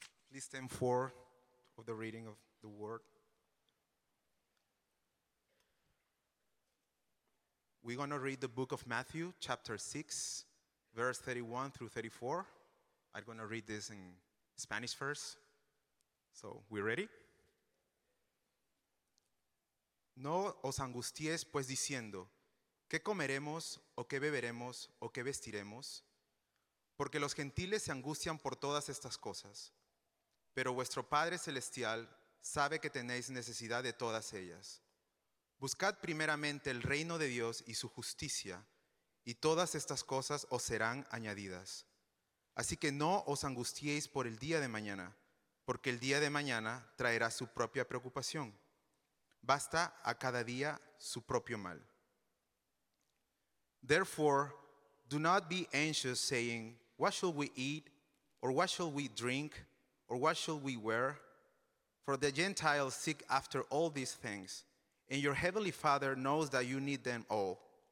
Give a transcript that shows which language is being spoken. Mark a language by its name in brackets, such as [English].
[English] Please stand for of the reading of the word. We're going to read the book of Matthew, chapter 6, verse 31 through 34. I'm going to read this in Spanish first. So, we ready? [Spanish] No os angustiéis, pues diciendo, ¿qué comeremos, o qué beberemos, o qué vestiremos? Porque los gentiles se angustian por todas estas cosas. Pero vuestro Padre Celestial sabe que tenéis necesidad de todas ellas. Buscad primeramente el reino de Dios y su justicia, y todas estas cosas os serán añadidas. Así que no os angustiéis por el día de mañana, porque el día de mañana traerá su propia preocupación. Basta a cada día su propio mal. [English] Therefore, do not be anxious, saying, what shall we eat, or what shall we drink, or what shall we wear? For the Gentiles seek after all these things, and your heavenly Father knows that you need them all.